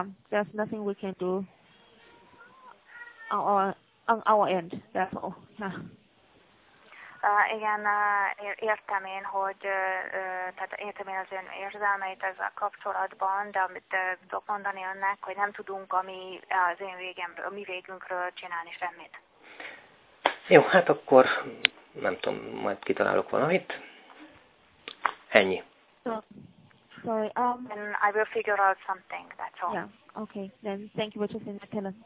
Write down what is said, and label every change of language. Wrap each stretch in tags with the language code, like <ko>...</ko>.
<en>There's nothing we can do on our end, that's all. Yeah.</en> <hu>Igen, értem én, hogy tehát értem én az ön érzelmeit ezzel kapcsolatban, de amit tudok mondani önnek, hogy nem tudunk a mi végünkről csinálni semmit. Jó, hát akkor nem tudom, majd kitalálok valamit. Ennyi.</hu> <en>Sorry, and I will figure out something, that's all. Yeah, okay, then thank you for choosing the telephone.</en>